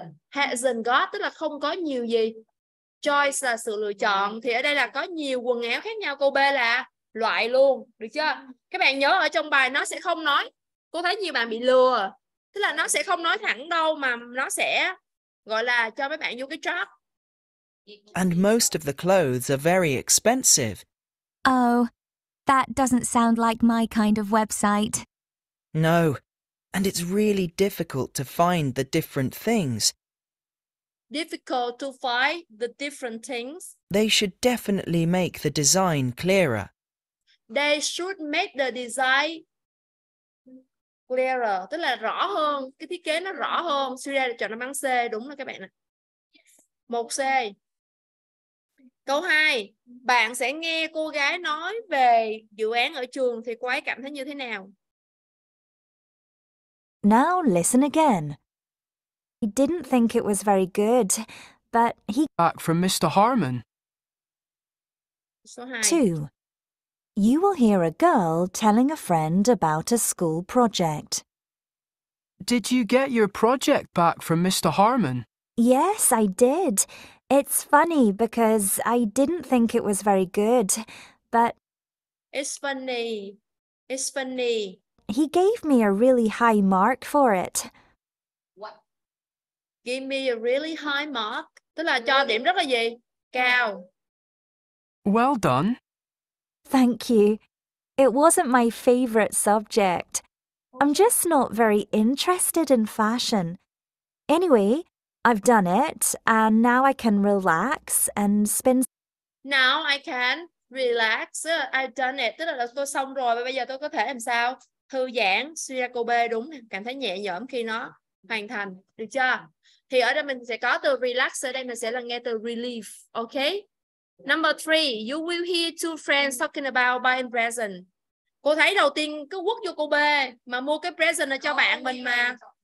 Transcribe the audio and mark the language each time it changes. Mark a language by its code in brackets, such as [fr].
[vi] Hasn't got tức là không có nhiều gì. Choice là sự lựa chọn. Thì ở đây là có nhiều quần áo khác nhau, câu B là loại luôn, được chưa? Các bạn nhớ ở trong bài nó sẽ không nói. Cô thấy nhiều bạn bị lừa. Tức là nó sẽ không nói thẳng đâu mà nó sẽ gọi là cho mấy bạn vô cái trap. [en] And most of the clothes are very expensive. Oh, that doesn't sound like my kind of website. No, and it's really difficult to find the different things. Difficult to find the different things? They should definitely make the design clearer. They should make the design [vi] clearer, tức là rõ hơn, cái thiết kế nó rõ hơn. Syria chọn đáp án C, đúng rồi các bạn ạ. 1C. Câu 2, bạn sẽ nghe cô gái nói về dự án ở trường thì cô ấy cảm thấy như thế nào? [en] Now listen again. He didn't think it was very good, but he... Back from Mr. Harmon. So hi. 2. You will hear a girl telling a friend about a school project. Did you get your project back from Mr. Harmon? Yes, I did. It's funny because I didn't think it was very good, but... It's funny. He gave me a really high mark for it. What? [vi] Give me a really high mark? Tức là cho điểm rất là gì? Cao. [en] Well done. Thank you. It wasn't my favorite subject. I'm just not very interested in fashion. Anyway, I've done it, and now I can relax and spend... Now I can relax. I've done it. [vi] Tức là tôi xong rồi, và bây giờ tôi có thể làm sao? Thư giãn, suy ra cô B đúng, cảm thấy nhẹ nhõm khi nó hoàn thành. Được chưa? Thì ở đây mình sẽ có từ relax, ở đây mình sẽ là nghe từ relief. Ok? [en] Number 3, you will hear two friends talking about buying present. [vi] Cô thấy đầu tiên cứ quất vô cô B mà mua cái present cho bạn mình mà.